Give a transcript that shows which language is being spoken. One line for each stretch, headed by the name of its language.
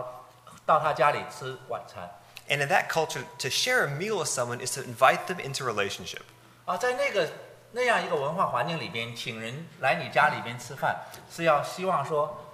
Chinese: 西门他邀请耶稣到他家里吃晚餐。
English: And in that culture, to share a meal with someone is to invite them into relationship.
Chinese: 在那样一个文化环境里边，请人来你家里边吃饭，是要希望说。